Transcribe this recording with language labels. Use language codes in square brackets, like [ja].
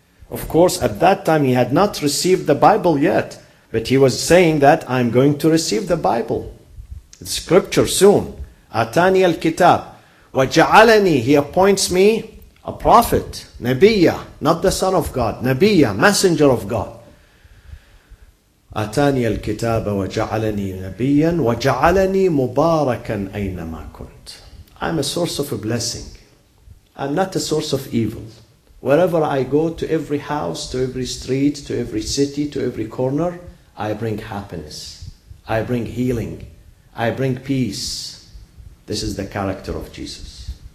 [en] Of course, at that time he had not received the Bible yet. But he was saying that I'm going to receive the Bible, the scripture soon. [ar] آتَانِيَ الْكِتَابِ. وَجَعَلَنِي. [en] He appoints me a prophet, Nabiya, not the son of God, Nabiya, messenger of God. [ar] أتاني الكتاب وجعلني نبيا وجعلني مباركا أينما كنت. [en] I'm a source of a blessing. I'm not a source of evil. Wherever I go, to every house, to every street, to every city, to every corner, I bring happiness. I bring healing. I bring peace. This is the character of Jesus.